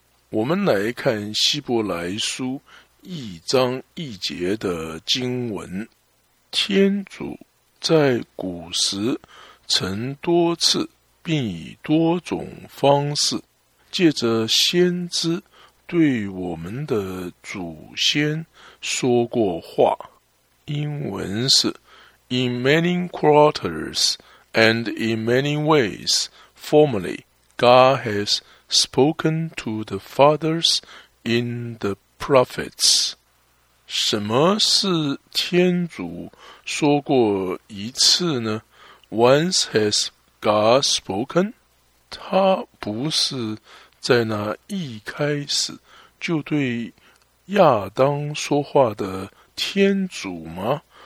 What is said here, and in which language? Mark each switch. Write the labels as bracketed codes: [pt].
[zh] 我们来看希伯来书一章一节的经文，天主在古时曾多次并以多种方式借着先知对我们的祖先说过话。英文是 [en] In many quarters and in many ways formerly God hasspoken to the fathers in the prophets. [zh] 什么是天主说过一次呢？ [en] Once has God spoken? [zh] 他不是在那一开始就对亚当说话的天主吗？